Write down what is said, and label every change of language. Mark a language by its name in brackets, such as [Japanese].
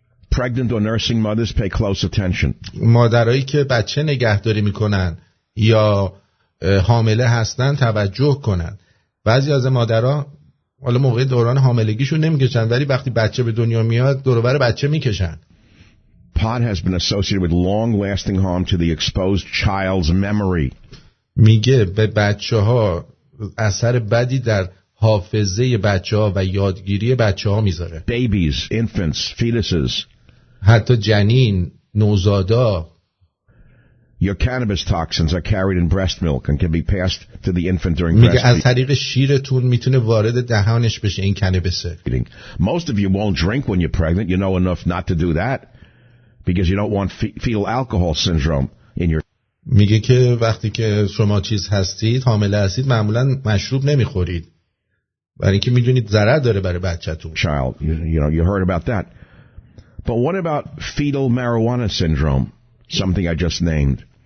[English] Pregnant or nursing mothers pay close attention. [Persian] مادرایی که بچه نگهداری میکنن یا حامله هستن توجه کنن. بعضی از مادرها حالا موقع دوران حاملگیشون نمیکشن ولی وقتی بچه به دنیا میاد دور و بر بچه میکشن. [English] Pot has been associated with long-lasting harm to the exposed child's memory. [Persian] میگه به بچه‌ها اثر بدی در حافظه بچه‌ها و یادگیری بچه‌ها میذاره. [English] Babies, infants, fetuses. [Persian] حتی جنین، نوزادا. [English] Your cannabis toxins are carried in breast milk and can be passed to the infant during breastfeeding. [Persian] میگه از طریق شیرتون میتونه وارد دهانش بشه این کنبسه. [English] Most of you won't drink when you're pregnant. You know enough not to do that because you don't want fetal alcohol syndrome in your. [Persian] میگه که وقتی که شما چیز هستید، حامله هستید، معمولا مشروب نمیخورید. برای اینکه میدونید ضرر داره برای بچه‌تون. [English] Child, you know, you heard about that. But what about fetal marijuana syndrome? Something I just named.